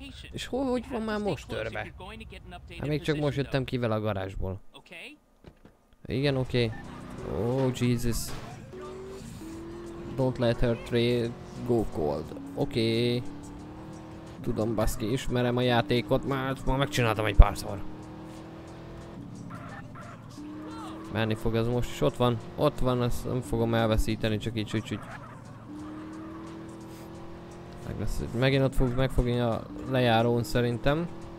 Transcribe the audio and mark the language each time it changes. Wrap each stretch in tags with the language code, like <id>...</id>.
<hu>És hogy van már most törve? Hát még csak most jöttem ki vele a garázsból. Igen, oké.</hu> <en>Oh, Jesus. Don't let her trade go cold.</en> <hu>Oké. Tudom, baszki, ismerem a játékot, mert ma megcsináltam egy párszor. Menni fog ez most, és ott van, ezt nem fogom elveszíteni, csak így, úgy. Meg lesz, megint ott fog megfogni a lejárón szerintem.</hu>